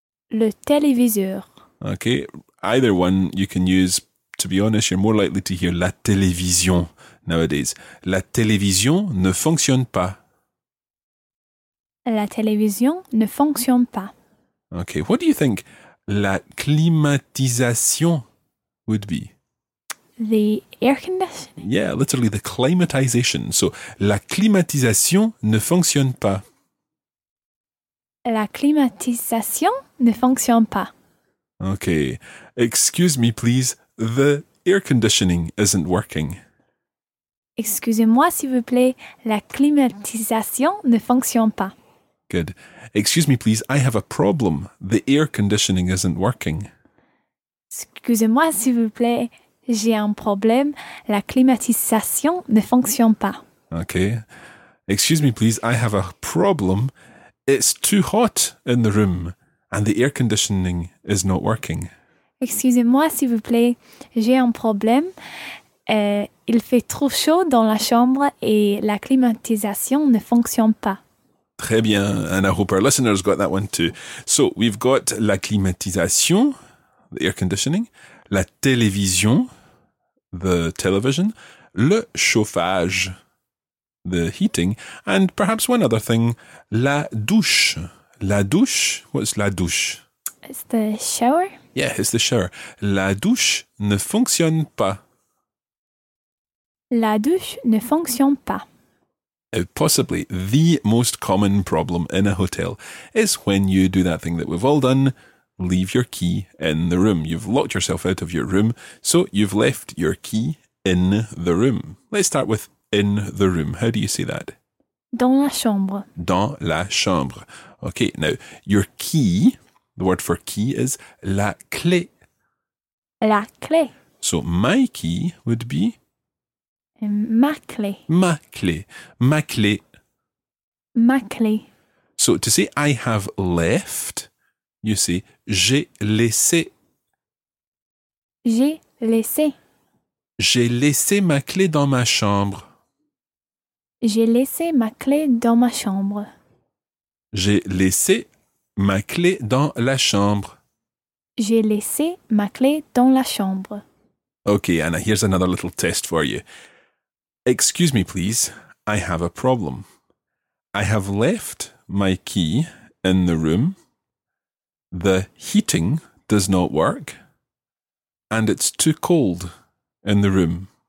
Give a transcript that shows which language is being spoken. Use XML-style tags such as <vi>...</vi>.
<fr>Le téléviseur.</fr> <en>Okay, either one you can use. To be honest, you're more likely to hear la télévision nowadays.</en> <fr>La télévision ne fonctionne pas. La télévision ne fonctionne pas.</fr> <en>Okay, what do you think la climatisation would be? The air conditioning. Yeah, literally the climatisation.</en> <fr>So, la climatisation ne fonctionne pas. La climatisation ne fonctionne pas.</fr> <en>Okay, excuse me please, the air conditioning isn't working.</en> <fr>Excusez-moi s'il vous plaît, la climatisation ne fonctionne pas.</fr> <en>Good. Excuse me, please. I have a problem. The air conditioning isn't working.</en> <fr>Excusez-moi, s'il vous plaît. J'ai un problème. La climatisation ne fonctionne pas.</fr> <en>Okay. Excuse me, please. I have a problem. It's too hot in the room and the air conditioning is not working.</en> <fr>Excusez-moi, s'il vous plaît. J'ai un problème. Il fait trop chaud dans la chambre et la climatisation ne fonctionne pas. Très bien,</fr> <en>and I hope our listeners got that one too. So, we've got la climatisation, the air conditioning, la télévision, the television, le chauffage, the heating, and perhaps one other thing, la douche. La douche, what's la douche? It's the shower. Yeah, it's the shower.</en> <fr>La douche ne fonctionne pas. La douche ne fonctionne pas.</fr> <en>Possibly the most common problem in a hotel is when you do that thing that we've all done, leave your key in the room. You've locked yourself out of your room, so you've left your key in the room. Let's start with in the room. How do you say that?</en> <fr>Dans la chambre. Dans la chambre.</fr> <en>Okay, now your key, the word for key is la clé.</en> <fr>La clé.</fr> <en>So my key would be?</en> <fr>Ma clé. Ma clé. Ma clé. Ma clé.</fr> <en>So to say I have left, you say</en> <fr>j'ai laissé. J'ai laissé. J'ai laissé ma clé dans ma chambre. J'ai laissé ma clé dans ma chambre. J'ai laissé ma clé dans la chambre. J'ai laissé ma clé dans la chambre.</fr> <en>Okay, Anna, here's another little test for you. Excuse me, please. I have a problem. I have left my key in the room. The heating does not work. And it's too cold in the room.</en>